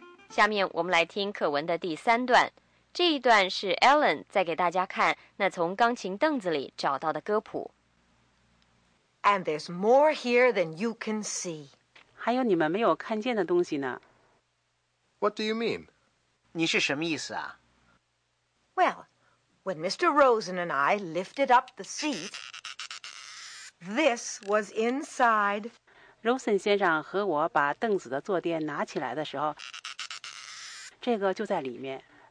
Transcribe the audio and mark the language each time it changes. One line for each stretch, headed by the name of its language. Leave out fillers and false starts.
Chinese: 下面我们来听课文的第三段，这一段是 Ellen 在给大家看那从钢琴凳子里找到的歌谱。
English: And there's more here than you can see.
Chinese: 还有你们没有看见的东西呢。
English: What do you mean?
Chinese: 你是什么意思啊？
English: Well, when Mr. Rosen and I lifted up the seat, this was inside.
Chinese: Rosen 先生和我把凳子的坐垫拿起来的时候，这个就在里面。